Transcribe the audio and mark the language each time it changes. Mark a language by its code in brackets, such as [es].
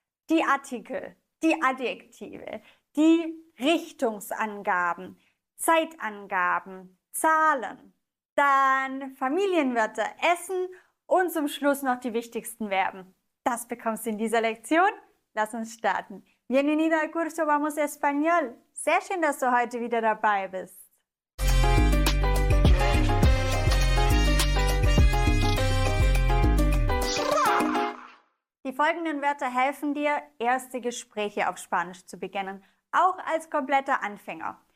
[de] Die Artikel, die Adjektive, die Richtungsangaben, Zeitangaben, Zahlen, dann Familienwörter, Essen und zum Schluss noch die wichtigsten Verben. Das bekommst du in dieser Lektion. Lass uns starten. [es] Bienvenido al curso Vamos Español. [de] Sehr schön, dass du heute wieder dabei bist. Die folgenden Wörter helfen dir, erste Gespräche auf Spanisch zu beginnen, auch als kompletter Anfänger.